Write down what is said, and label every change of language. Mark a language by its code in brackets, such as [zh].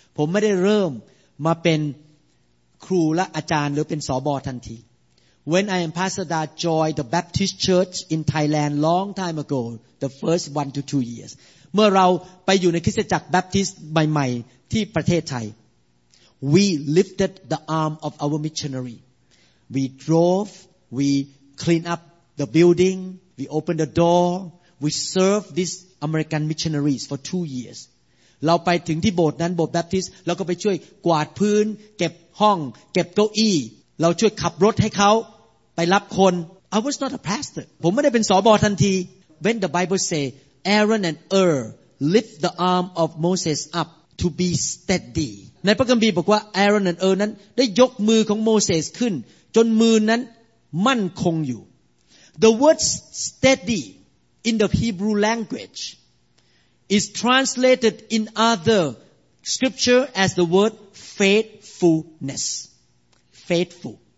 [th] ผมไม่ได้เริ่มมาเป็นครูและอาจารย์หรือเป็นสบทันที [en] When I and Pastor Da joined the Baptist Church in Thailand long time ago, the first 1 to 2 years. [th] เมื่อเราไปอยู่ในคริสตจักรแบปทิสต์ใหม่ๆที่ประเทศไทย [en] We lifted the arm of our missionary. We drove, we cleaned up the building, we opened the door, we served thisAmerican missionaries for 2 years. [th] เราไปถึงที่โบสถ์นั้นโบสถ์แบปทิสต์เราก็ไปช่วยกวาดพื้นเก็บห้องเก็บเก้าอี้เราช่วยขับรถให้เขาไปรับคน [en] I was not a pastor. [th] ผมไม่ได้เป็นสบทันที [en] When the Bible say Aaron and Ur lift the arm of Moses up to be steady. [th] ในพระคัมภีร์บอกว่า [en] Aaron and Ur [th] นั้นได้ยกมือของโมเสสขึ้นจนมือนั้นมั่นคงอยู่ [en] The word steadyIn the Hebrew language, is translated in other scripture as the word faithfulness. Faithful.